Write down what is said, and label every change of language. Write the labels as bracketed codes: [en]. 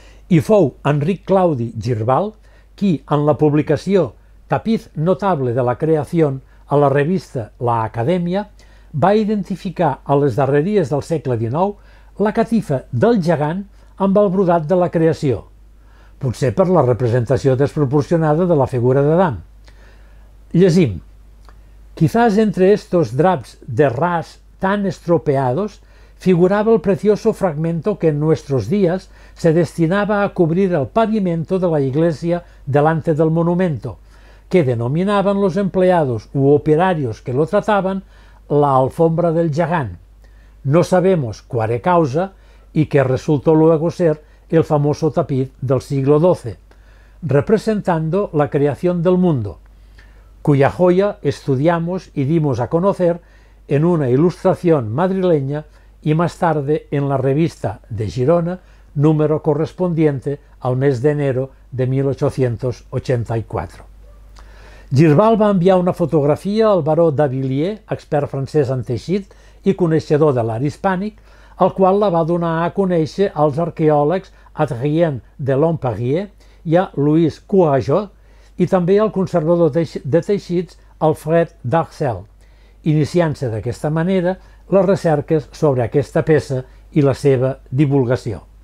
[ca] I fou Enric Claudi Girbal qui, en la publicació Tapiz Notable de la Creació a la revista La Acadèmia, va identificar a les darreries del segle XIX la catifa del gegant amb el brodat de la creació, potser per la representació desproporcionada de la figura d'Adam. Llegim. [es] Quizás entre estos draps de ras tan estropeados figuraba el precioso fragmento que en nuestros días se destinaba a cubrir el pavimento de la iglesia delante del monumento, que denominaban los empleados u operarios que lo trataban la alfombra del gegant. No sabemos quare causa y que resultó luego ser el famoso tapiz del siglo XII, representando la creación del mundo, cuya joya estudiamos y dimos a conocer en una ilustración madrileña y más tarde en la revista de Girona, número correspondiente al mes de enero de 1884. [ca] Girbal va enviar una fotografia al baró de Villiers, expert francès en teixit i coneixedor de l'art hispànic, el qual la va donar a conèixer als arqueòlegs Adrien de Lomparier i a Louis Courajod, i també al conservador de teixits Alfred Darcel, iniciant-se d'aquesta manera les recerques sobre aquesta peça i la seva divulgació.